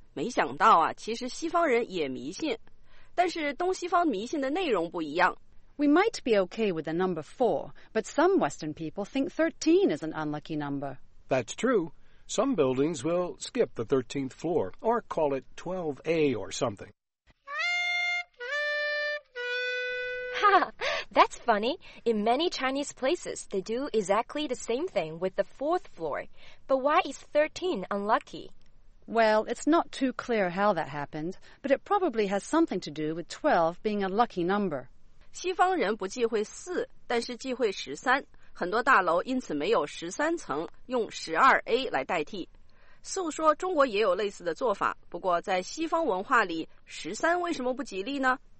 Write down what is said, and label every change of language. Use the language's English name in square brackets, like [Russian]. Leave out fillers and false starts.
[Chinese] 没想到啊，其实西方人也迷信。但是东西方迷信的内容不一样。 [English] We might be okay with the number 4, but some Western people think 13 is an unlucky number. That's true. Some buildings will skip the 13th floor, or call it 12A or something. That's funny. In many Chinese places, they do exactly the same thing with the fourth floor. But why is 13 unlucky? Well, it's not too clear how that happened, but it probably has something to do with 12 being a lucky number. [Chinese] 西方人不忌讳四，但是忌讳十三。很多大楼因此没有十三层，用十二 A 来代替。素说中国也有类似的做法，不过在西方文化里，十三为什么不吉利呢？